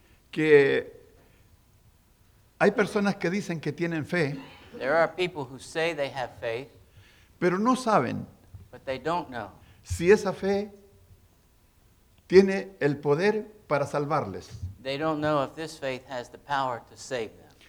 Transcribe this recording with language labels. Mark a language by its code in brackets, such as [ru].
[es] que hay personas que dicen que tienen fe, [en] there are people who say they have faith, [es] pero no saben, [en] but they don't know, [es] si esa fe tiene el poder para salvarles. [en] They don't know if this faith has the power to save them.